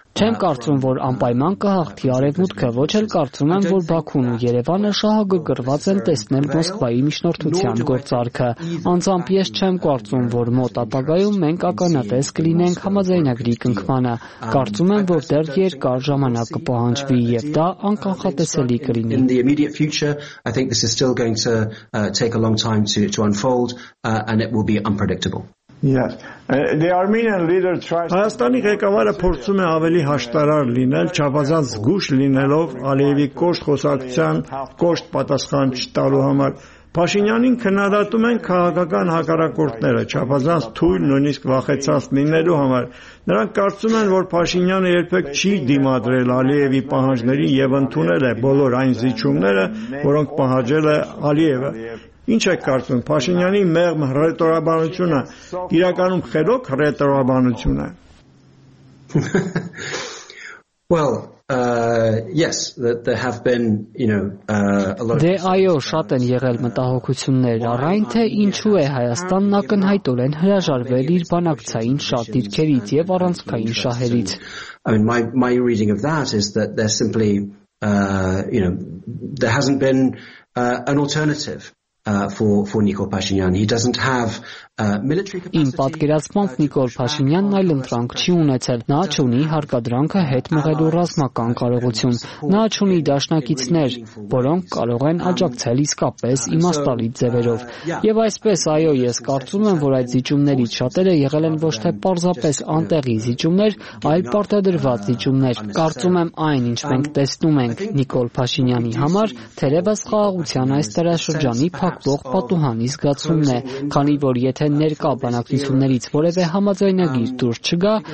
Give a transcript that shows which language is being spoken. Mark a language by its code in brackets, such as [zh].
[hy] Չեմ կարծում, որ անպայման կհաղթի Արևմուտքը, ոչ էլ կարծում եմ, որ Բաքուն ու Երևանը շահագրգռված են տեսնել Մոսկվայի միջնորդության գործարքը։ Անձամբ ես չեմ կարծում, որ մոտ ապագայում մենք ականատես կլինենք համաձայնագրի կնքմանը։ Կարծում եմ, որ դեռ երկար ժամանակ կպահանջվի, և դա անկանխատեսելի կլինի։ [en] In the immediate future, I think this is still going to take a long time to unfold, and it will be unpredictable. [hy] Հայաստանի ղեկավարը փորձում է ավելի հաշտարար լինել, չափազանց զգուշ լինելով Ալիևի կոշտ խոսակցության կոշտ պատասխան չտալու համար։ Փաշինյանին քննադատում են քաղաքական հակառակորդները, չափազանց թույլ, նույնիսկ վախեցած լինելու համար։ Նրանք կարծում են, որ Փաշինյանը երբեք չի դիմադրել Ալիևի պահանջներին և ընդունել է բոլոր այն զիջումները, որոնք պահանջել է Ալիևը։ Ինչ եք կարծում, Փաշինյանի մեղմ ռետորաբանությունը իրականում խելոք ռետորաբանություն է։ [en] Well, yes, there have been, you know, a lot of... [hy] Դե այո, շատ են եղել մտահոգություններ, առ այն, թե ինչու է Հայաստանն ակնհայտորեն հրաժարվել իր բանակցային շատ դիրքերից եւ առանցքային շահերից. [en] I mean, my reading of that is that they're simply, you know, there hasn't been an alternative. For Nikol Pashinyan, he doesn't have military capacity. [hy] Իմ պատկերացմամբ Նիկոլ Փաշինյանն այլ ընտրանք չի ունեցել, նա չունի հարկադրանքը հետ մղելու ռազմական կարողություն, նա չունի դաշնակիցներ, որոնք կարող են աջակցել իսկապես իմաստալի ձևերով, եւ այսպես, այո, ես կարծում եմ, որ այդ զիջումներից շատերը եղել են ոչ թե պարզապես անտեղի զիջումներ, այլ պարտադրված զիջումներ, կարծում եմ այն, ինչ մենք տեսնում ենք Նիկոլ Փաշինյանի համար, թերևս խաղաղության այս տարաշրջանի փակող պատուհանի զգացումն է, քանի որ եթե ներկա բանակցություններից որևէ համաձայնագիր դուրս չգա,